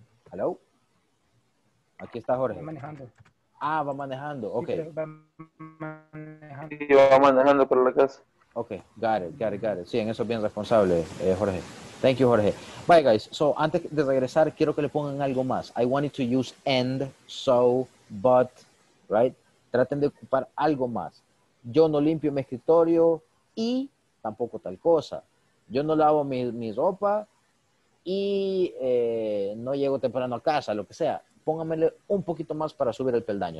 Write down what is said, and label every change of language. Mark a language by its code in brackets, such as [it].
[es] Hello? Aquí está Jorge. Va manejando. Ah, va manejando. Ok. Sí, va manejando. Sí, va manejando por la casa. [en] Ok. Got it. [es] Sí, en eso es bien responsable, [en] Jorge. Thank you, Jorge. Bye, guys. [es] So, antes de regresar, quiero que le pongan algo más. [en] I wanted to use and, so, but, right? [es] Traten de ocupar algo más. Yo no limpio mi escritorio y tampoco tal cosa. Yo no lavo mi ropa y no llego temprano a casa, lo que sea. Póngamele un poquito más para subir el peldaño.